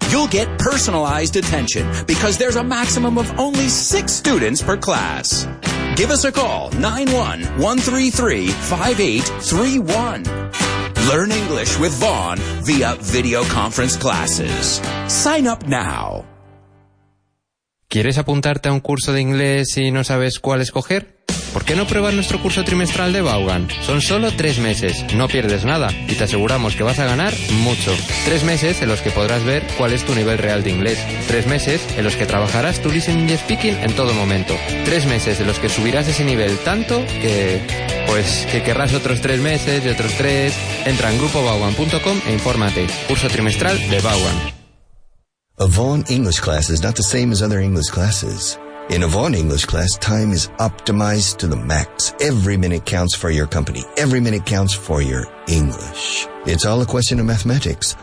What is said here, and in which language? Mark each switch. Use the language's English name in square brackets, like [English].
[English] You'll get personalized attention because there's a maximum of only 6 students per class. Give us a call, 91-133-5831. Learn English with Vaughan via video conference classes. Sign up now. [Spanish] ¿Quieres apuntarte a un curso de inglés y no sabes cuál escoger? ¿Por qué no pruebas nuestro curso trimestral de Vaughan? Son solo 3 meses, no pierdes nada y te aseguramos que vas a ganar mucho. 3 meses en los que podrás ver cuál es tu nivel real de inglés. 3 meses en los que trabajarás tu listening y speaking en todo momento. 3 meses en los que subirás ese nivel tanto que, pues, que querrás otros 3 meses y otros 3. Entra en grupovaughan.com e infórmate. Curso trimestral de Vaughan. [English] A Vaughan English class is not the same as other English classes. In a Vaughan English class, time is optimized to the max. Every minute counts for your company. Every minute counts for your English. It's all a question of mathematics.